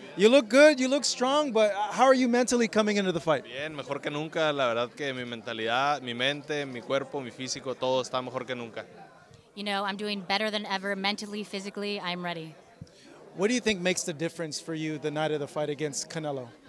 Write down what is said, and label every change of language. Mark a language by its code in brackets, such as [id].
[en] You look good, you look strong, but how are you mentally coming into the fight? [es] Bien, mejor que nunca. La verdad que mi mentalidad, mi mente, mi cuerpo, mi físico, todo está mejor que nunca. [en] You know, I'm doing better than ever, mentally, physically, I'm ready. What do you think makes the difference for you the night of the fight against Canelo?